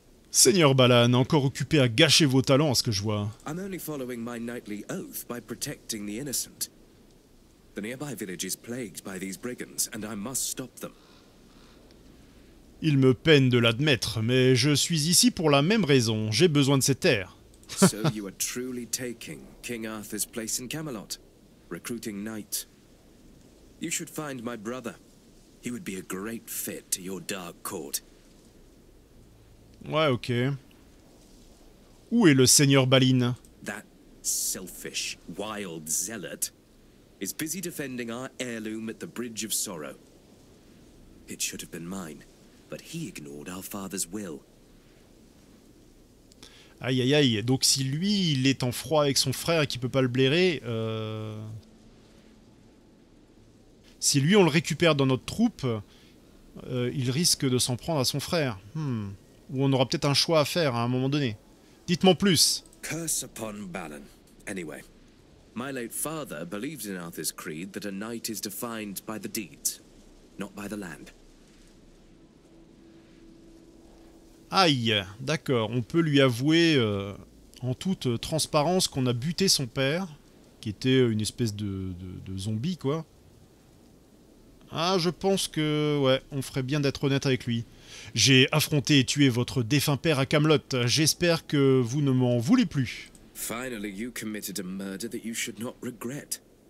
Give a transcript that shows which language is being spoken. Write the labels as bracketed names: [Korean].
[French] Seigneur Balan, encore occupé à gâcher vos talents, à ce que je vois. [English] I'm only following my knightly oath by protecting the innocent. The nearby village is plagued by these brigands, and I must stop them. [French] Il me peine de l'admettre, mais je suis ici pour la même raison. J'ai besoin de ces terres. [English] So you are truly taking King Arthur's place in Camelot, recruiting knights. You should find my brother. He would be a great fit to your dark court. [French] Ouais, ok. Où est le seigneur Balin? [English] That selfish, wild zealot is busy defending our heirloom at the Bridge of Sorrow. It should have been mine, but he ignored our father's will. [French] Aïe, aïe, aïe. Donc si lui, il est en froid avec son frère et qu'il peut pas le blairer, si lui, on le récupère dans notre troupe, il risque de s'en prendre à son frère. Ou on aura peut-être un choix à faire à un moment donné. Dites-moi plus. [English] Curse upon Balin. Anyway, my late father believed in Arthur's creed that a knight is defined by the deeds, not by the land. [French] Aïe, d'accord, on peut lui avouer en toute transparence qu'on a buté son père, qui était une espèce de zombie, quoi. Ah, je pense que, ouais, on ferait bien d'être honnête avec lui. J'ai affronté et tué votre défunt père à Camelot. J'espère que vous ne m'en voulez plus. [English] Finally, you committed a murder that you should not regret.